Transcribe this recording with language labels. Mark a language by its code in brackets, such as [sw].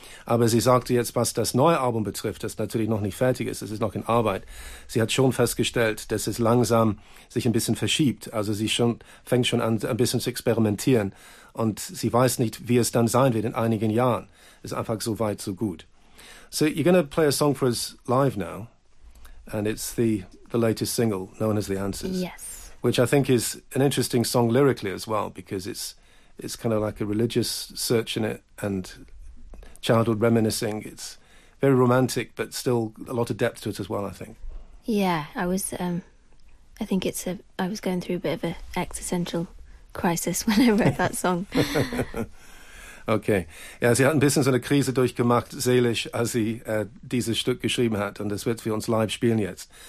[de] Aber sie sagte jetzt, was das neue Album betrifft, das natürlich noch nicht fertig ist, es ist noch in Arbeit. Sie hat schon festgestellt, dass es langsam sich ein bisschen verschiebt. Also sie schon, fängt schon an, ein bisschen zu experimentieren. Und sie weiß nicht, wie es dann sein wird in einigen Jahren. Es ist einfach so weit, so gut. [en] So you're going to play a song for us live now. And it's the latest single, known as The Answers. Yes. Which I think is an interesting song lyrically as well, because it's kind of like a religious search in it and childhood reminiscing. It's very romantic, but still a lot of depth to it as well, I think. Yeah, I was. I think it's I was going through a bit of an existential crisis when I wrote that song. Okay. [de] Ja, sie hat ein bisschen so eine Krise durchgemacht, seelisch, als sie dieses Stück geschrieben hat. Und das wird für uns live spielen jetzt.